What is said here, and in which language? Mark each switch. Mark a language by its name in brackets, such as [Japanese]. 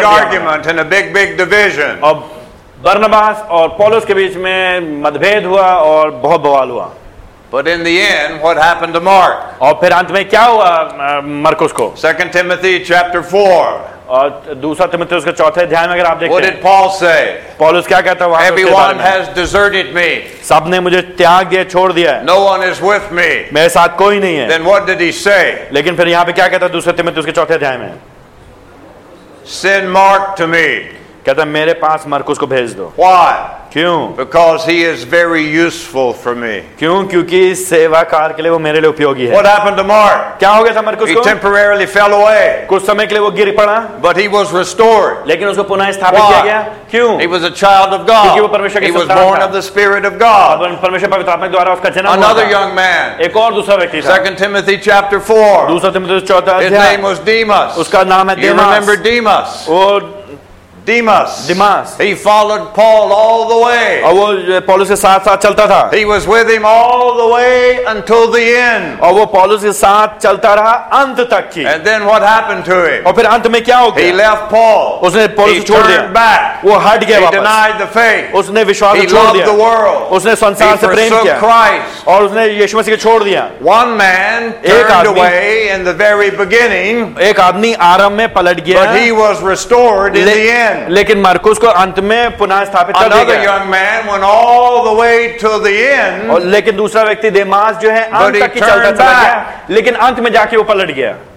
[English] And they had a big argument and a big division. [Hindi] Barnabas और पौलुस के बीच में मतभेद हुआ और बहुत बवाल हुआ. [English] But in the end, what happened to Mark? [Hindi] और फिर अंत में क्या हुआ मरकुस को? [English] 2 Timothy chapter 4. [Hindi] और दूसरा तीमोथियुस के चौथे अध्याय में अगर आप देखते हैं. [English] What did Paul say? [Hindi] पौलुस क्या कहता है वहाँ? [English] Everyone has deserted me. [Hindi] सबने मुझे त्याग दिया, छोड़ दिया. [English] No one is with me. [Hindi] मेरे साथ कोई नहीं है. [English] Then what did he say? [Hindi] लेकिन फिर यहाँ पे क्या कहता है दूसरे तीमोथियुस के चौथे अध्याय में? [English] Send Mark to me. [Hindi] कहता मेरे पास मरकुस को भेज दो. [English] Why? [Hindi] क्यों? [English] Because he is very useful for me. [Hindi] क्यों? क्योंकि सेवा कार के लिए वो मेरे लिए उपयोगी है. [English] What happened to Mark? [Hindi] क्या हो गया था मरकुस को? [English] He temporarily fell away. [Hindi] कुछ समय के लिए वो गिर पड़ा. [English] But he was restored. [Hindi] लेकिन उसको पुनः स्थापित किया गया. क्यों? [English] He was a child of God. [Hindi] क्योंकि वो परमेश्वर के संतान था. [English] He was born of the Spirit of God. [Hindi] परमेश्वर पवित्र आत्मा द्वारा उसका जन्म हुआ. [English] Another young man. [Hindi] एक और दूसरा व्यक्ति था. [English] 2 Timothy chapter 4. [Hindi] दूसरा तीमोथियुस चौथा अध्याय. [English] His name was Demas. [Hindi] उसका नाम है Demas. [English] You remember Demas? Demas. Demas. He followed Paul all the way. [Hindi] और वो पौलुस के साथ साथ चलता था. [English] He was with him all the way until the end. [Hindi] और वो पौलुस के साथ चलता रहा अंत तक की. [English] And then what happened to him? [Hindi] और फिर अंत में क्या हो गया? [English] He left Paul. [Hindi] उसने पौलुस छोड़ दिया. [English] He turned back. [Hindi] वो हट गया वापस. [English] He denied the faith. [Hindi] उसने विश्वास छोड़ दिया. [English] He loved the world. [Hindi] उसने संसार से प्रेम किया. [English] He forsook Christ. [Hindi] और उसने यीशु मसीह को छोड़ दिया. [English] One man turned away in the very beginning. [Hindi] एक आदमी आरंभ में पलट गया. [English] But he was restored in the end. [Hindi] लेकिन मरकुस को अंत में पुनः स्थापित कर दिया गया. [English] Another young man went all the way to the end. [Hindi] और लेकिन दूसरा व्यक्ति देमास जो है अंत तक ही चलता चला गया. लेकिन अंत में जाके वो पलट गया.